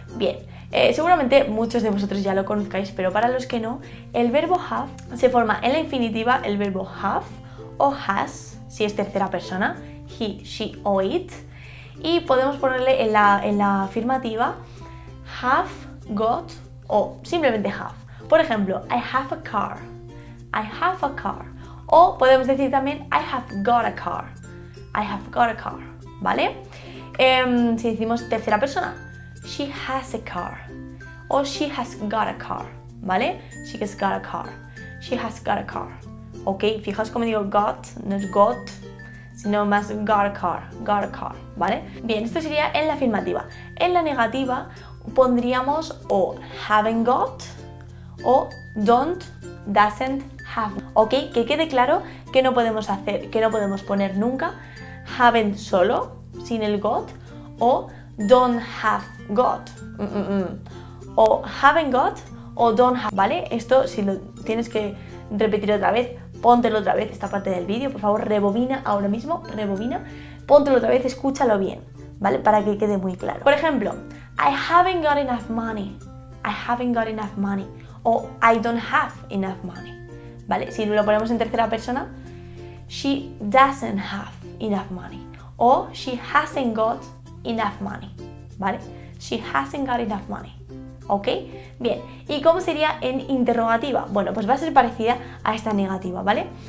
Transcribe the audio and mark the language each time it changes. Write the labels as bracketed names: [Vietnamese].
[Spanish] Bien, seguramente muchos de vosotros ya lo conozcáis, pero para los que no, el verbo have se forma en la infinitiva el verbo have o has, si es tercera persona, he, she o it, y podemos ponerle en la afirmativa have, got o simplemente have. Por ejemplo, [English] I have a car. I have a car. [Spanish] O podemos decir también [English] I have got a car. I have got a car. ¿Vale? [Spanish] Si decimos tercera persona, [English] she has a car. O she has got a car. ¿Vale? She has got a car. She has got a car. ¿Ok? [Spanish] Fijaos cómo digo got, no es got, sino más [English] got a car. Got a car. [Spanish] ¿Vale? Bien, esto sería en la afirmativa. En la negativa pondríamos o haven't got o don't, doesn't. Have, ok, que quede claro que no podemos hacer, que no podemos poner nunca haven't solo, sin el got, o don't have got, o haven't got, o don't have, ¿vale? Esto si lo tienes que repetir otra vez, póntelo otra vez esta parte del vídeo, por favor, rebobina ahora mismo, rebobina, póntelo otra vez, escúchalo bien, ¿vale? Para que quede muy claro. Por ejemplo, [English] I haven't got enough money, I haven't got enough money, o I don't have enough money. ¿Vale? [Spanish] Si lo ponemos en tercera persona, [English] she doesn't have enough money. O she hasn't got enough money. ¿Vale? She hasn't got enough money. [Spanish] ¿Ok? Bien. ¿Y cómo sería en interrogativa? Bueno, pues va a ser parecida a esta negativa, ¿vale?